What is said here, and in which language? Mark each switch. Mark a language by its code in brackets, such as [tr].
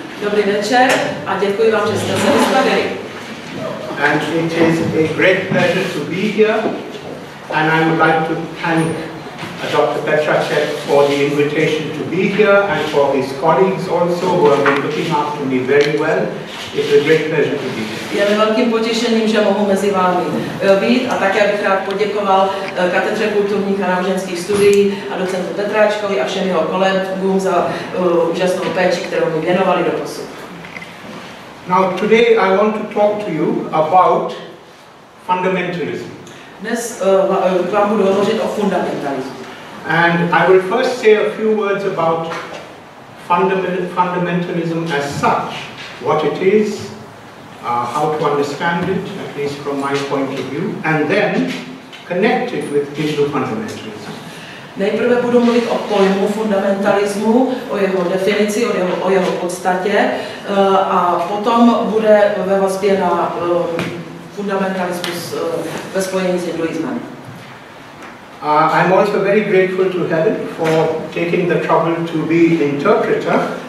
[cs] Dobrý večer a děkuji vám, že jste se dostavili. [en] And it is a great pleasure to be here. And I would like to thank Dr. Petrachek for the invitation to be here and for his colleagues also who have been looking after me very well. It's a great pleasure to be here. [cs] Je mi velkým potěšením, že mohu mezi vámi být a také bych rád poděkoval Katedře kulturních a náboženských studií a docentu Petráčkovi a všem jeho kolegům za úžasnou péči, kterou mi věnovali doposud. [en] Now today I want to talk to you about fundamentalism. [cs] Dnes vám budu hovořit o fundamentalismu. [en] And I will first say a few words about fundamentalism as such, what it is, how to understand it, at least from my point of view, and then connect it with Hindu fundamentalism. [cs] Nejprve budu mluvit o pojmu fundamentalismu, o jeho definici, o jeho podstatě, a potom bude ve vazbě na fundamentalismus ve spojení s hinduismem. [en] I'm also very grateful to Helen for taking the trouble to be the interpreter.